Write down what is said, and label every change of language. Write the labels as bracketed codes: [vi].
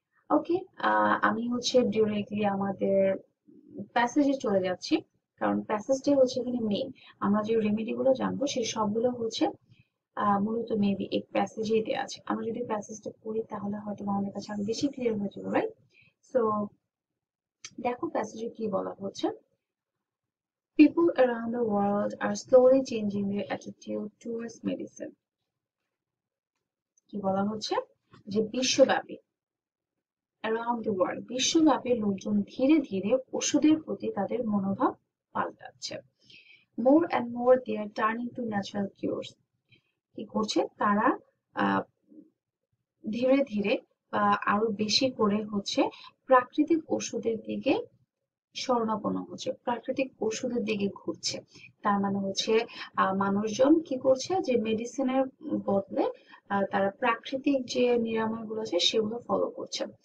[bn] ওকে, আমি হচ্ছে ডিরেক্টলি আমাদের প্যাসেজে চলে যাচ্ছি, কারণ প্যাসেজটাই হচ্ছে এখানে মেইন। আমরা যে রেমেডি গুলো জানবো সেই সবগুলো হচ্ছে মূলত মেবি এই প্যাসেজেই দেওয়া আছে। আমরা যদি প্যাসেজটা পড়ি তাহলে হয়তো আমাদের কাছে আরো বেশি ক্লিয়ার হয়ে যাবে, রাইট। সো দেখো প্যাসেজে কি বলা হচ্ছে। [en] People around the world are slowly changing their attitude towards medicine. [bn] কি বলা হচ্ছে যে বিশ্বব্যাপী, [en] around the world, [bn] বিশ্বব্যাপী লোকজন ধীরে ধীরে ওষুধের প্রতি তাদের মনোভাব পাল্টাচ্ছে। [en] More and more they are turning to natural cures. [bn] কি করছে তারা, ধীরে ধীরে বা আরো বেশি করে হচ্ছে প্রাকৃতিক ওষুধের দিকে স্বর্ণাপন্ন হচ্ছে, প্রাকৃতিক ওষুধের দিকে ঘুরছে। তার মানে হচ্ছে মানুষজন কি করছে যে মেডিসিনের বদলে তারা প্রাকৃতিক যে নিরাময় গুলো আছে সেগুলো ফলো করছে।